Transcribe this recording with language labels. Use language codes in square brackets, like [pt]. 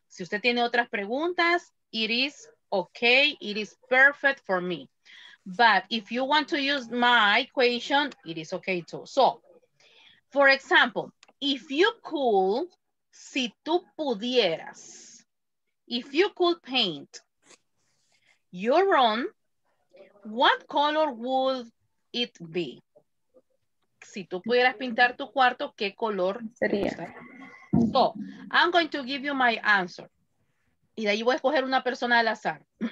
[es] Si usted tiene otras preguntas, [en] it is okay. It is perfect for me. But if you want to use my equation, it is okay too. So, for example, if you could, [es] si tú pudieras, [en] if you could paint your own, what color would it be? [es] Si tú pudieras pintar tu cuarto, ¿qué color sería? [en] So, I'm going to give you my answer. [es] Y de ahí voy a escoger una persona al azar.